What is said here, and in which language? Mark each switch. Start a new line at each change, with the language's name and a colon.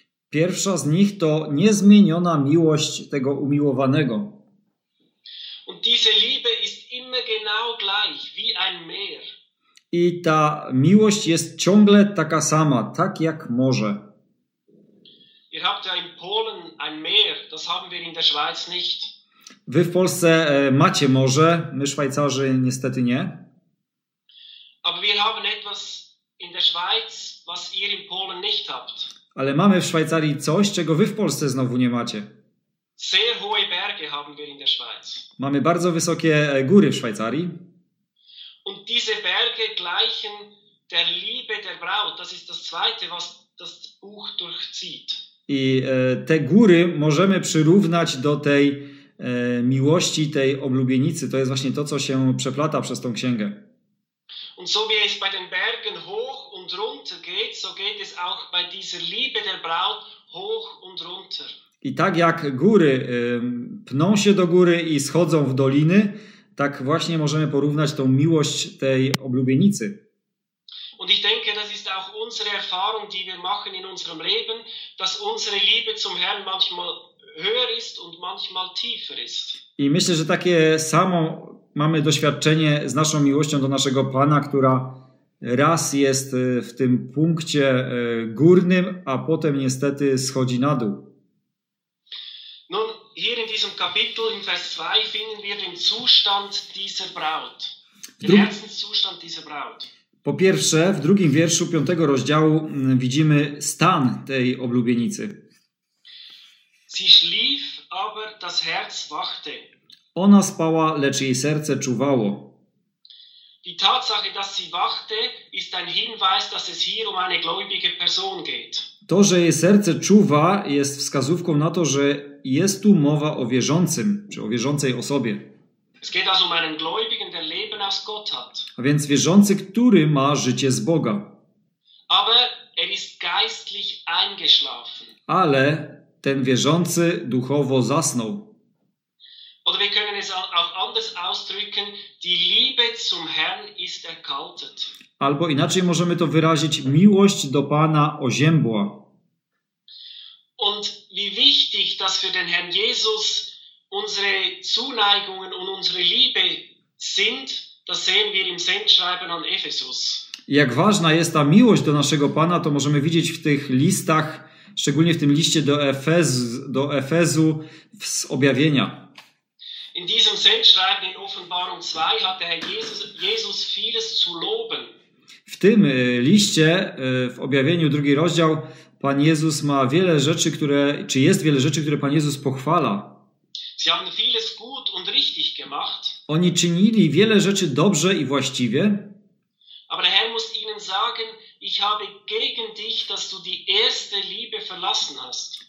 Polish: Pierwsza z nich to niezmieniona miłość tego umiłowanego.
German: Und diese Liebe ist immer genau gleich, wie ein Meer.
Polish: I ta miłość jest ciągle taka sama, tak jak morze.
German: Ihr habt ja in Polen ein Meer, das haben wir in der Schweiz nicht.
Polish: Wy w Polsce macie morze, my Szwajcarzy niestety nie.
German: Aber wir haben etwas in der Schweiz, was ihr in Polen nicht habt.
Polish: Ale mamy w Szwajcarii coś, czego wy w Polsce znowu nie macie.
German: Sehr hohe Berge haben wir in der Schweiz.
Polish: Mamy bardzo wysokie góry w Szwajcarii.
German: Und diese Berge gleichen der Liebe der Braut. Das ist das zweite, was das Buch durchzieht.
Polish: I te góry możemy przyrównać do tej miłości, tej oblubienicy. To jest właśnie to, co się przeplata przez tą księgę.
German: Und so wie es bei den Bergen hoch und runter geht, so geht es auch bei dieser Liebe der Braut hoch und runter.
Polish: I tak jak góry pną się do góry i schodzą w doliny, tak właśnie możemy porównać tą miłość tej oblubienicy.
German: Und ich denke, das ist auch unsere Erfahrung, die wir machen in unserem Leben, dass unsere Liebe zum Herrn manchmal höher ist und manchmal tiefer ist.
Polish: I myślę, że takie samo mamy doświadczenie z naszą miłością do naszego Pana, która raz jest w tym punkcie górnym, a potem niestety schodzi na dół.
German: Nun, hier in diesem Kapitel, in Vers 2, finden wir den Zustand dieser Braut. Den ersten Zustand dieser Braut.
Polish: Po pierwsze, w drugim wierszu 5 rozdziału widzimy stan tej oblubienicy.
German: Sie schlief, aber das Herz wachte.
Polish: Ona spała, lecz jej serce czuwało.
German: Die Tatsache, dass sie wachte, ist ein Hinweis, dass es hier um eine gläubige Person geht.
Polish: To, że jej serce czuwa, jest wskazówką na to, że jest tu mowa o wierzącym, czy o wierzącej osobie.
German: Es geht also um einen Gläubigen, der Leben aus Gott hat.
Polish: A więc wierzący, który ma życie z Boga.
German: Aber er ist geistlich eingeschlafen.
Polish: Ale ten wierzący duchowo zasnął.
German: Oder wir können es auch anders ausdrücken, die Liebe zum Herrn ist erkaltet.
Polish: Albo inaczej możemy to wyrazić, miłość do Pana oziębła.
German: Und wie wichtig, dass für den Herrn Jesus unsere Zuneigungen und unsere Liebe sind, das sehen wir im Sendschreiben an Ephesus.
Polish: Jak ważna jest ta miłość do naszego Pana, to możemy widzieć w tych listach, szczególnie w tym liście do Efezu z objawienia.
German: In diesem Sendschreiben in Offenbarung 2 hat der Herr Jesus vieles zu loben.
Polish: W tym liście, w objawieniu drugi rozdział, Pan Jezus ma wiele rzeczy, które, czy jest wiele rzeczy, które Pan Jezus pochwala.
German: Sie haben vieles gut und richtig gemacht.
Polish: Oni czynili wiele rzeczy dobrze i właściwie.
German: Aber der Herr muss ihnen sagen, ich habe gegen dich, dass du die erste Liebe verlassen hast.